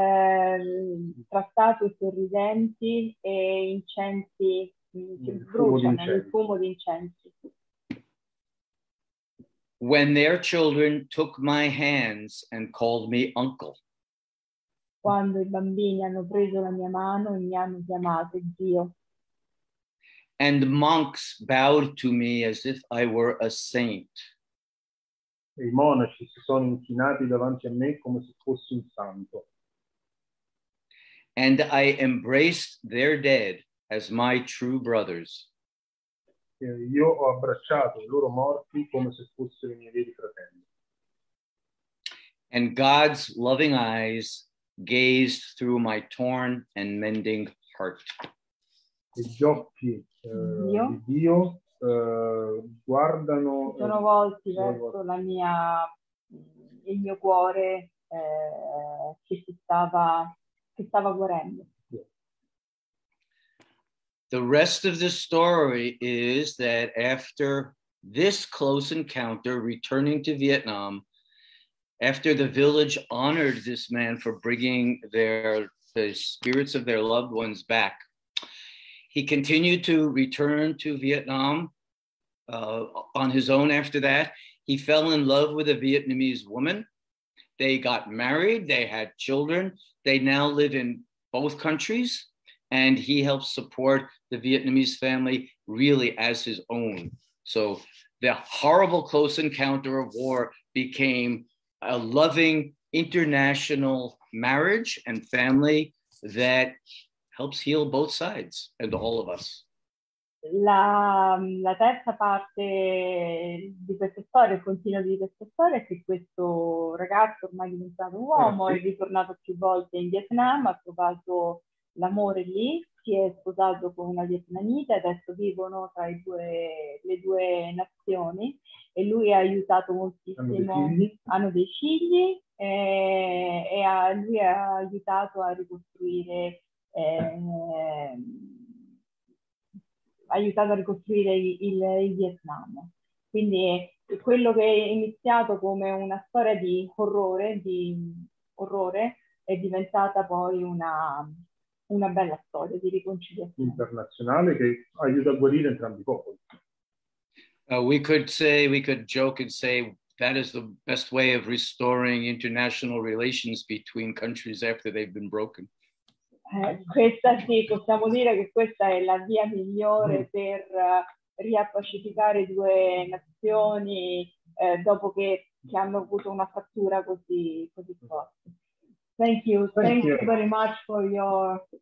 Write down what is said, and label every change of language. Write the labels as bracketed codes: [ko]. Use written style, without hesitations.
[it] Tra statue sorridenti e incensi che bruciano, il fumo di incensi. [en] When their children took my hands and called me uncle. [it] Quando i bambini hanno preso la mia mano e mi hanno chiamato zio. [en] And monks bowed to me as if I were a saint. [it] E i monaci si sono inchinati davanti a me come se fossi un santo. [en] And I embraced their dead as my true brothers. [it] Io ho abbracciato i loro morti come se fossero i miei veri fratelli. [en] And God's loving eyes gazed through my torn and mending heart. [it] E gli occhi di Dio guardano. Sono volti verso la mia, il mio cuore che stava guarendo. [en] The rest of the story is that after this close encounter, returning to Vietnam, after the village honored this man for bringing the spirits of their loved ones back, he continued to return to Vietnam on his own after that. He fell in love with a Vietnamese woman. They got married, they had children. They now live in both countries. And he helps support the Vietnamese family really as his own. So the horrible close encounter of war became a loving international marriage and family that helps heal both sides and all of us. [it] La terza parte di questa storia, il continuo di questa storia, è che questo ragazzo ormai è diventato un uomo, è ritornato più volte in Vietnam, ha trovato l'amore lì, si è sposato con una vietnamita, adesso vivono tra le due nazioni, e lui ha aiutato moltissimo, hanno dei figli e lui ha aiutato a ricostruire il Vietnam. Quindi quello che è iniziato come una storia di orrore è diventata poi una bella storia di riconciliazione internazionale che aiuta a guarire entrambi i popoli. [en] We could joke and say that is the best way of restoring international relations between countries after they've been broken. [it] Questa sì, possiamo dire che questa è la via migliore per riappacificare due nazioni dopo che hanno avuto una frattura così forte. [en] Thank you very much for your